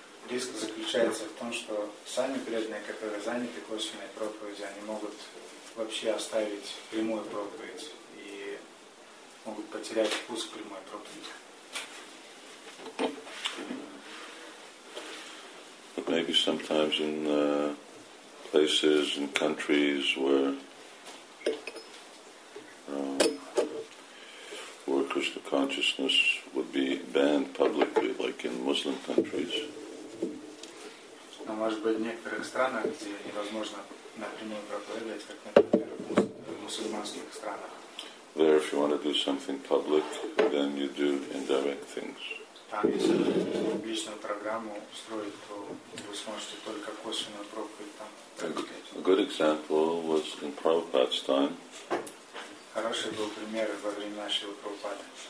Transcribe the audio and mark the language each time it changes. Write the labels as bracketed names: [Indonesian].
[Russian] Risk заключается в том, что сами преданные, которые заняты косвенной проповедью, они могут вообще оставить прямую проповедь и могут потерять вкус к прямой проповеди. [English] But maybe sometimes in places and countries where Krishna consciousness would be banned publicly, like in Muslim countries. [Russian] Но может быть в некоторых странах, где невозможно напрямую проповедовать, как например в мусульманских странах. [English] There, if you want to do something public, then you do indirect things. [Russian] Там, если публичную программу устроить, то вы сможете только косвенную проповедь там. [English] A good example was in Prabhupada's time. [Russian] Хороший был пример во время нашего Прабхупады.